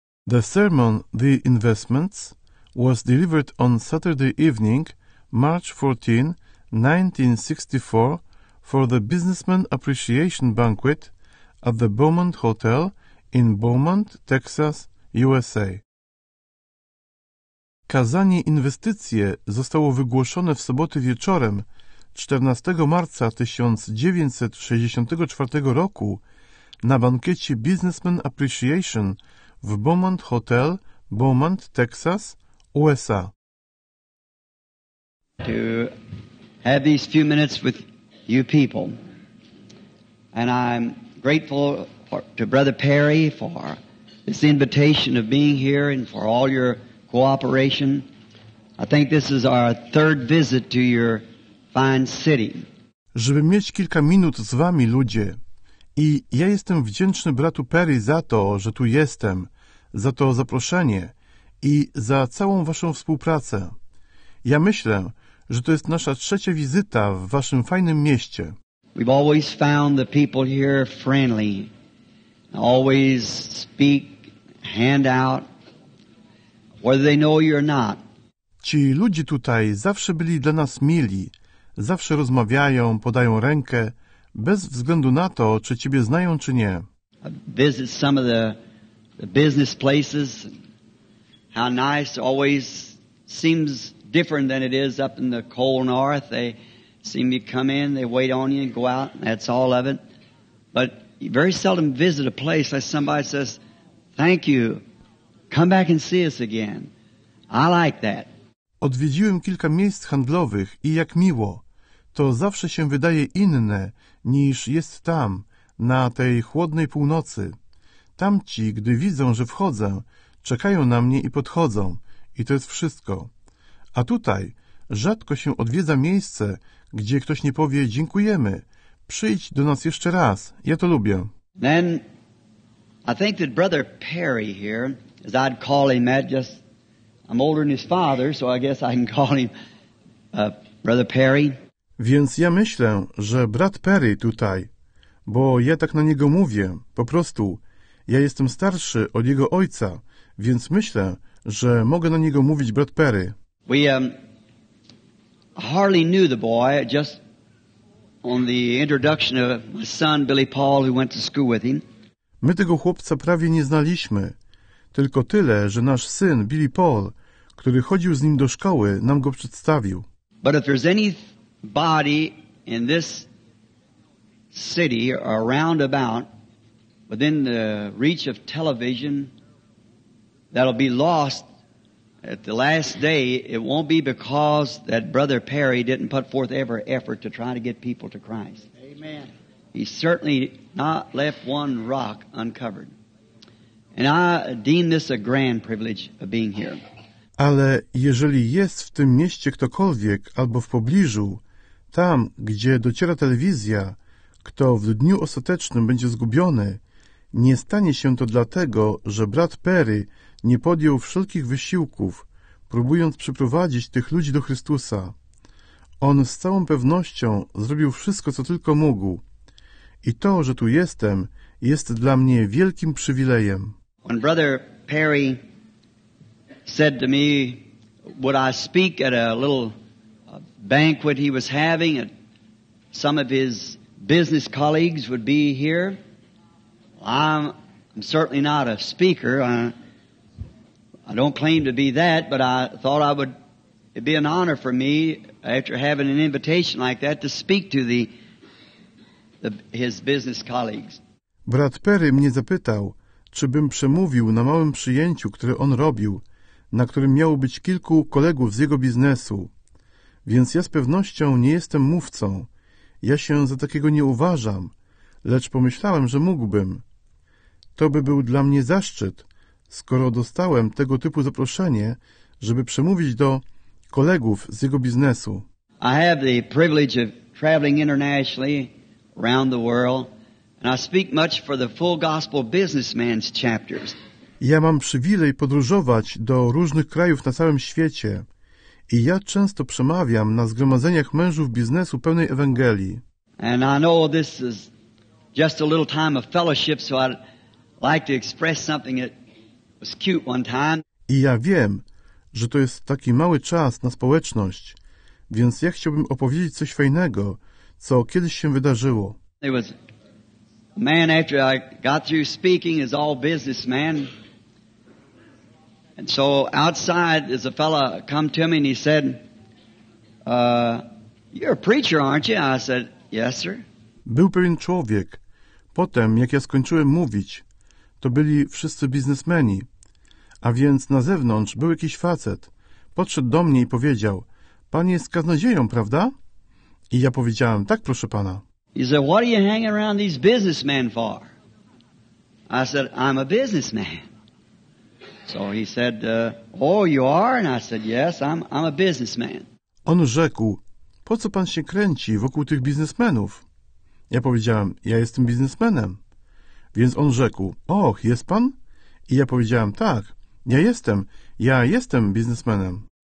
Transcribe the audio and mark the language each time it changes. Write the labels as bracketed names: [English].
[English] The sermon, The Investments, was delivered on Saturday evening, March 14, 1964, for the Businessman Appreciation Banquet at the Beaumont Hotel in Beaumont, Texas, USA. [Polish] Kazanie Inwestycje zostało wygłoszone w sobotę wieczorem 14 marca 1964 roku na bankiecie Businessman Appreciation w Beaumont Hotel, Beaumont, Texas, USA. [English] To have these few minutes with you people. And I'm grateful to Brother Perry for this invitation of being here and for all your cooperation. I think this is our third visit to your fine city. [Polish] Żeby mieć kilka minut z wami, ludzie. I ja jestem wdzięczny bratu Perry za to, że tu jestem, za to zaproszenie i za całą waszą współpracę. Ja myślę, że to jest nasza trzecia wizyta w waszym fajnym mieście. [English] We've always found the people here friendly. Always speak, hand out. Whether they know you or not. [Polish] Ci ludzie tutaj zawsze byli dla nas mili, zawsze rozmawiają, podają rękę, bez względu na to, czy ciebie znają, czy nie. [English] Visit some of the business places. How nice, always seems different than it is up in the cold north. They seem to come in, they wait on you and go out, and that's all of it. But you very seldom visit a place like somebody says, thank you. Come back and see us again. I like that. [Polish] Odwiedziłem kilka miejsc handlowych i jak miło. To zawsze się wydaje inne niż jest tam, na tej chłodnej północy. Tamci, gdy widzą, że wchodzę, czekają na mnie i podchodzą. I to jest wszystko. A tutaj rzadko się odwiedza miejsce, gdzie ktoś nie powie dziękujemy. Przyjdź do nas jeszcze raz. Ja to lubię. [English] Then I think that Brother Perry here, as I'd call him that, just I'm older than his father, so I guess I can call him Brother Perry. [Polish] Więc ja myślę, że brat Perry tutaj, bo ja tak na niego mówię, po prostu, ja jestem starszy od jego ojca, więc myślę, że mogę na niego mówić brat Perry. [English] We hardly knew the boy, just on the introduction of my son Billy Paul, who went to school with him. [Polish] My tego chłopca prawie nie znaliśmy. Tylko tyle, że nasz syn, Billy Paul, który chodził z nim do szkoły, nam go przedstawił. [English] But if there's any body in this city or around about within the reach of television that'll be lost at the last day, it won't be because that Brother Perry didn't put forth every effort to try to get people to Christ. Amen. He certainly not left one rock uncovered. And I deem this a grand privilege of being here. [Polish] Ale jeżeli jest w tym mieście ktokolwiek albo w pobliżu, tam, gdzie dociera telewizja, kto w dniu ostatecznym będzie zgubiony, nie stanie się to dlatego, że brat Perry nie podjął wszelkich wysiłków, próbując przyprowadzić tych ludzi do Chrystusa. On z całą pewnością zrobił wszystko, co tylko mógł. I to, że tu jestem, jest dla mnie wielkim przywilejem. [English] When Brother Perry said to me, would I speak at a little banquet he was having, and some of his business colleagues would be here? I'm certainly not a speaker. I don't claim to be that, but I thought I would. It'd be an honor for me, after having an invitation like that, to speak to his business colleagues. [Polish] Brat Perry mnie zapytał, czy bym przemówił na małym przyjęciu, które on robił, na którym miało być kilku kolegów z jego biznesu. Więc ja z pewnością nie jestem mówcą. Ja się za takiego nie uważam, lecz pomyślałem, że mógłbym. To by był dla mnie zaszczyt, skoro dostałem tego typu zaproszenie, żeby przemówić do kolegów z jego biznesu. [English] I have the privilege of traveling internationally around the world. And I speak much for the Full Gospel Businessman's chapters. [Polish] Ja mam przywilej podróżować do różnych krajów na całym świecie i ja często przemawiam na zgromadzeniach mężów biznesu pełnej Ewangelii. [English] And I know this is just a little time of fellowship, so I'd like to express something that was cute one time. [Polish] I ja wiem, że to jest taki mały czas na społeczność, więc ja chciałbym opowiedzieć coś fajnego, co kiedyś się wydarzyło. [English] There was a man after I got through speaking, is all businessman. And so outside is a fella come to me and he said, you're a preacher, aren't you? I said, yes, sir. [Polish] Był pewien człowiek. Potem, jak ja skończyłem mówić, to byli wszyscy biznesmeni. A więc na zewnątrz był jakiś facet. Podszedł do mnie i powiedział, pan jest kaznodzieją, prawda? I ja powiedziałem, tak, proszę pana. [English] He said, what are you hanging around these businessmen for? I said, I'm a businessman. So he said, oh, you are? And I said, yes, I'm a businessman. [Polish] On rzekł, po co pan się kręci wokół tych biznesmenów? Ja powiedziałem, ja jestem biznesmenem. Więc on rzekł, och, jest pan? I ja powiedziałem, tak, ja jestem biznesmenem.